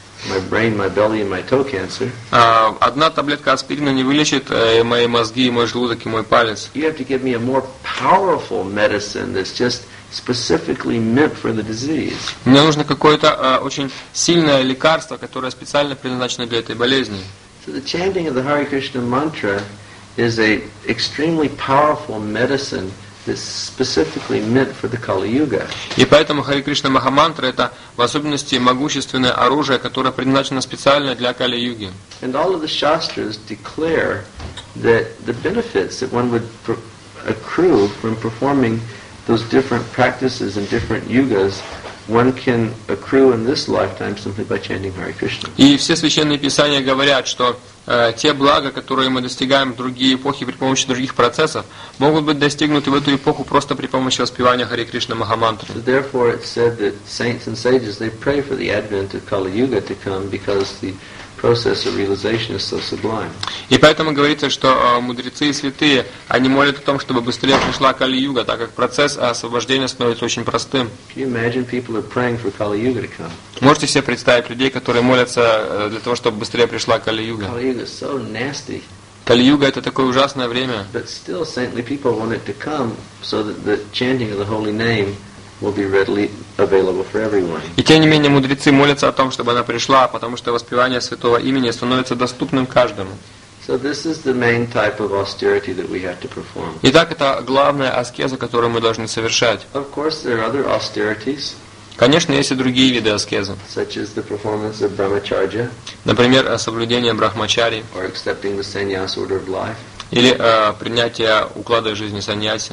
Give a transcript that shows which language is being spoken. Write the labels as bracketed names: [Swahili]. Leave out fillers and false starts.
[English] My brain, my belly, and my toe cancer. [Russian] Одна таблетка аспирина не вылечит мои мозги, мой желудок и мой палец. [English] You have to give me a more powerful medicine that's just specifically meant for the disease. [Russian] Мне нужно какое-то очень сильное лекарство, которое специально предназначено для этой болезни. [English] So the chanting of the Hare Krishna mantra is a extremely powerful medicine. This specifically meant for the Kali Yuga. [Russian] И поэтому Хари Кришна Махамантра это в особенности могущественное оружие, которое предназначено специально для Кали Юги. [English] And all of the shastras declare that the benefits that one would accrue from performing those different practices in different yugas one can accrue in this lifetime simply by chanting Hare Krishna. [Russian] И все священные писания говорят, что те блага, которые мы достигаем в другие эпохи при помощи других процессов, могут быть достигнуты в эту эпоху просто при помощи воспевания Харе Кришна Махамантры. [English] So therefore, it's said that saints and sages they pray for the advent of Kali Yuga to come because the process of realization is so sublime. [Russian] И поэтому говорится, что мудрецы и святые они молят о том, чтобы быстрее пришла Кали Юга, так как процесс освобождения становится очень простым. [English] Can you imagine people are praying for Kali Yuga to come? [Russian] Можете себе представить людей, которые молятся для того, чтобы быстрее пришла Кали Юга? [English] Kali Yuga is so nasty. [Russian] Кали Юга это такое ужасное время. [English] But still, saintly people want it to come so that the chanting of the holy name will be readily available for everyone. [Russian] И тем не менее мудрецы молятся о том, чтобы она пришла, потому что воспевание святого имени становится доступным каждому. [English] So this is the main type of austerity that we have to perform. [Russian] Итак, это главная аскеза, которую мы должны совершать. [English] Of course, there are other austerities. [Russian] Конечно, есть и другие виды аскезы. [English] Such as the performance of brahmacharya. [Russian] Например, соблюдение брахмачари. [English] Or accepting the sannyas order of life. [Russian] Или принятие уклада жизни саньяси.